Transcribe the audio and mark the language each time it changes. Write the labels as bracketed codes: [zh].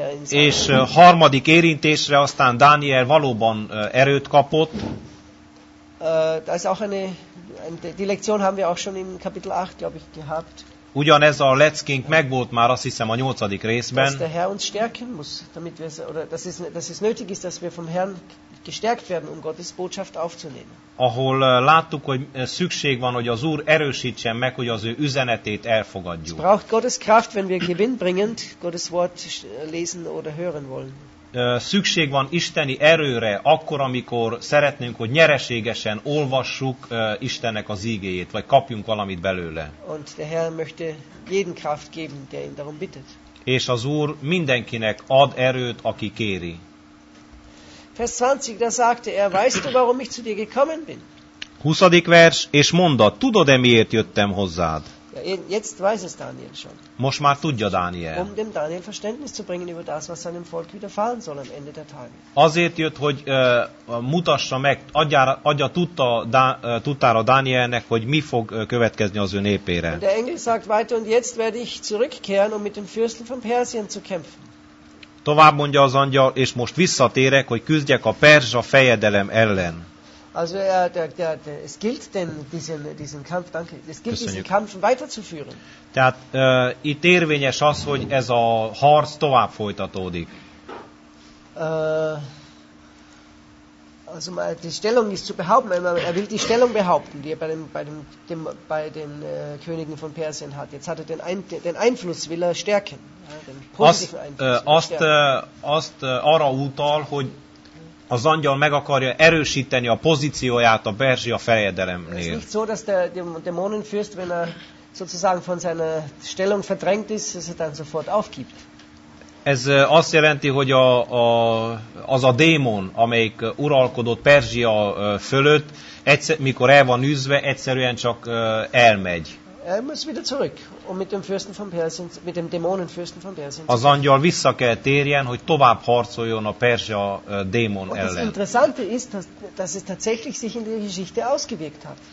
[hu] És harmadik érintésre aztán Dániel valóban erőt kapott. [de] Das ist auch eine die Lektion haben wir auch schon im Kapitel 8, glaube ich, gehabt. [hu] Ugyanez a leckénk megvolt már, azt hiszem, a 8. részben. [de] Dass der Herr uns stärken muss, damit wir oder das ist nötig ist, dass wir vom Herrn gestärkt werden, um Gottes Botschaft aufzunehmen. [hu] Ahol láttuk, hogy szükség van, hogy az Úr erősítsen meg, hogy az ő üzenetét elfogadjuk. [de] Es braucht Gottes Kraft, wenn wir gewinnbringend Gottes Wort lesen oder hören wollen. [hu] Szükség van isteni erőre akkor, amikor szeretnénk, hogy nyereségesen olvassuk Istennek az ígéjét, vagy kapjunk valamit belőle. [de] Und der Herr möchte jeden Kraft geben, der ihn darum bittet. [hu] És az Úr mindenkinek ad erőt, aki kéri. [de] Vers 20, da sagte er, weißt du, warum ich zu dir gekommen bin? [hu] 20. vers, és mondta, tudod-e, miért jöttem hozzád? [de] Jetzt weiß es Daniel schon. [hu] Most már tudja Dániel. [de] Um dem Daniel Verständnis zu bringen über das, was seinem Volk widerfahren soll am Ende der Tage. [hu] Azért jött, hogy mutassa meg, adja tudtára Dánielnek, hogy mi fog következni az ő népére. [de] Und der Engel sagt weiter, und jetzt werde ich zurückkehren, um mit dem Fürsten von Persien zu kämpfen. [hu] Tovább mondja az angyal, és most visszatérek, hogy küzdjek a perzsa fejedelem ellen. [de] Also es gilt denn diesen Kampf, danke. Es gilt diesen Kampf weiterzuführen. [hu] Tehát itt érvényes az, hogy ez a harc tovább folytatódik. [de] Also mal die Stellung ist zu behaupten, er will die Stellung behaupten, die er bei den Königen von Persien hat. Jetzt hat er den Einfluss will er stärken, ja, den positiven Einfluss. [hu] Azt arra utal, hogy az angyal meg akarja erősíteni a pozícióját a Perzsia fejedelemnél. [de] Ez nicht so, dass der Dämonenfürst, wenn er sozusagen von seiner Stellung verdrängt ist, dass er dann sofort aufgibt. [hu] Ez azt jelenti, hogy az a démon, amelyik uralkodott Perzsia fölött, mikor el van üzve, egyszerűen csak elmegy. [de] Er muss wieder zurück, um mit dem Fürsten von Persien, mit dem Dämonenfürsten von Persien. [hu] Az angyal vissza kell térjen, hogy tovább harcoljon a Perzsia démon ellen. [de] Das Interessante ist, dass es tatsächlich sich in der Geschichte ausgewirkt hat.